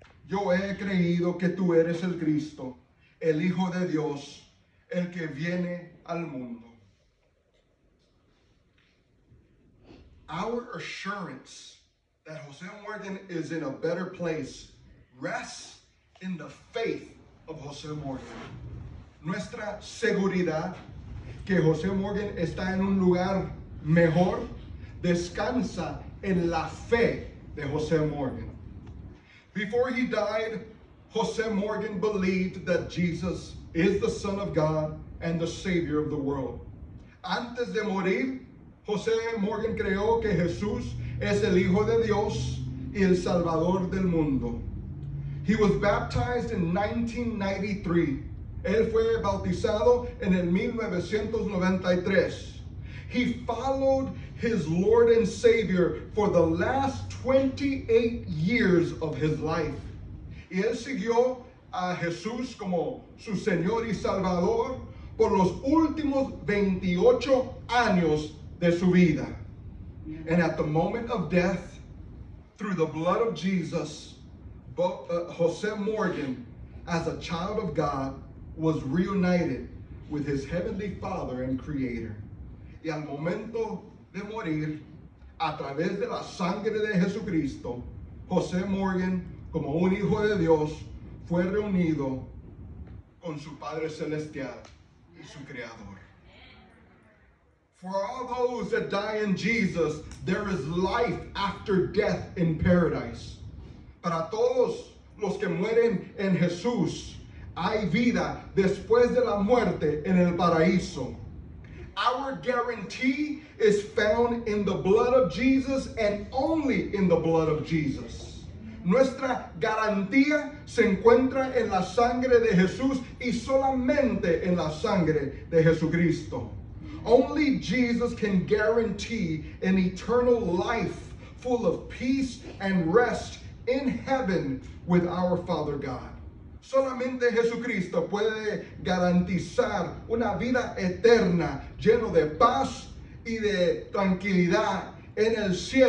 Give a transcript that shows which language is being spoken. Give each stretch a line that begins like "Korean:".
Spanish: Yo he creído que tú eres el Cristo, el Hijo de Dios, el que viene al mundo.
English: Our assurance that Jose Morga is in a better place rests in the faith of Jose Morga.
Spanish: Nuestra seguridad que Jose Morga está en un lugar mejor descansa en la fe de Jose Morga.
English: Before he died, Jose Morga believed that Jesus is the Son of God and the Savior of the world.
Spanish: Antes de morir, Jose Morga creyó que Jesús es el Hijo de Dios y el Salvador del mundo.
English: He was baptized in 1993.
Spanish: Él fue bautizado en el 1993.
English: He followed his Lord and Savior for the last 28 years of his life.
Spanish: Y él siguió a Jesús como su Señor y Salvador por los últimos 28 años de su vida.
English: And at the moment of death, through the blood of Jesus, Jose Morgan, as a child of God, was reunited with his heavenly Father and Creator.
Spanish: Y al momento de morir, a través de la sangre de Jesucristo, Jose Morgan, como un hijo de Dios, fue reunido con su Padre Celestial y su Creador.
English: For all those that die in Jesus, there is life after death in paradise.
Spanish: Para todos los que mueren en Jesús, hay vida después de la muerte en el paraíso.
English: Our guarantee is found in the blood of Jesus and only in the blood of Jesus.
Spanish: Nuestra garantía se encuentra en la sangre de Jesús y solamente en la sangre de Jesucristo.
English: Only Jesus can guarantee an eternal life full of peace and rest in heaven with our Father God.
Spanish: Solamente Jesucristo puede garantizar una vida eterna lleno de paz y de tranquilidad en el cielo.